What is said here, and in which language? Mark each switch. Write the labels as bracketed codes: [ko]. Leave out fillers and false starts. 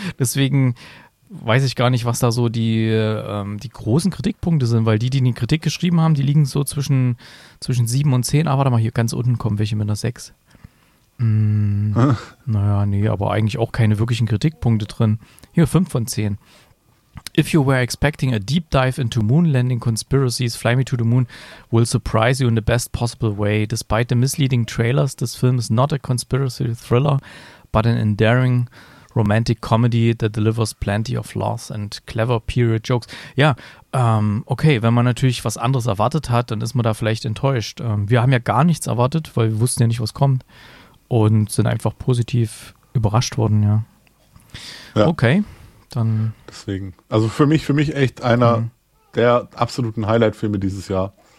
[de] Deswegen weiß ich gar nicht, was da so die großen Kritikpunkte sind, weil die eine Kritik geschrieben haben, die liegen so zwischen 7 und 10. Aber warte mal, hier ganz unten kommen welche mit einer 6. Naja, nee, aber eigentlich auch keine wirklichen Kritikpunkte drin. Hier 5 von 10. [en] If you were expecting a deep dive into moon landing conspiracies, Fly Me to the Moon will surprise you in the best possible way. Despite the misleading trailers, this film is not a conspiracy thriller, but an endearing romantic comedy that delivers plenty of laughs and clever period jokes. [de] Ja, okay, wenn man natürlich was anderes erwartet hat, dann ist man da vielleicht enttäuscht. Wir haben ja gar nichts erwartet, weil wir wussten ja nicht, was kommt und sind einfach positiv überrascht worden, ja. Ja. Okay, dann. Deswegen. Also für mich echt einer der absoluten Highlight-Filme dieses Jahr.